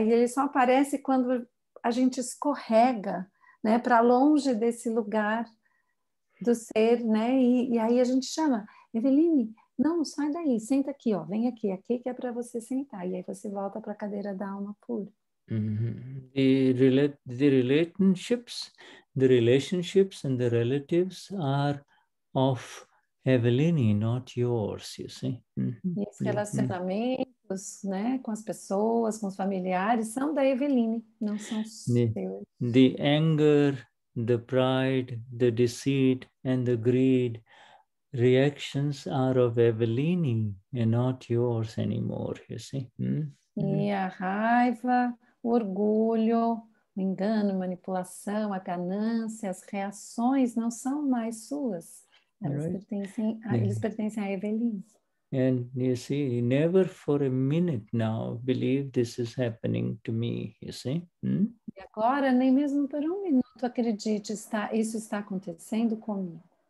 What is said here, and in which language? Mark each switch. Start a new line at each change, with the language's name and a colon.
Portuguese: E ele só aparece quando a gente escorrega, né, para longe desse lugar do ser, né? E aí a gente chama, Eveline, não, sai daí, senta aqui, ó, vem aqui, aqui que é para você sentar. E aí você volta para a cadeira da alma pura. Mm-hmm.
English: The relationships and the relatives are of Eveline, not yours, you see. Mm-hmm.
Portuguese: E os relacionamentos, mm-hmm, né, com as pessoas, com os familiares, são da Eveline, não são seus.
English: The anger, the pride, the deceit and the greed, reactions are of Eveline and not yours anymore, you see. Mm-hmm.
Portuguese: E a raiva, o orgulho, o engano, manipulação, a ganância, as reações não são mais suas. Eles pertencem a Eveline.
English: And you see, never for a minute now believe this is happening to me, you see. Hmm?
Portuguese: E agora, nem mesmo por minuto acredite, isso está acontecendo comigo.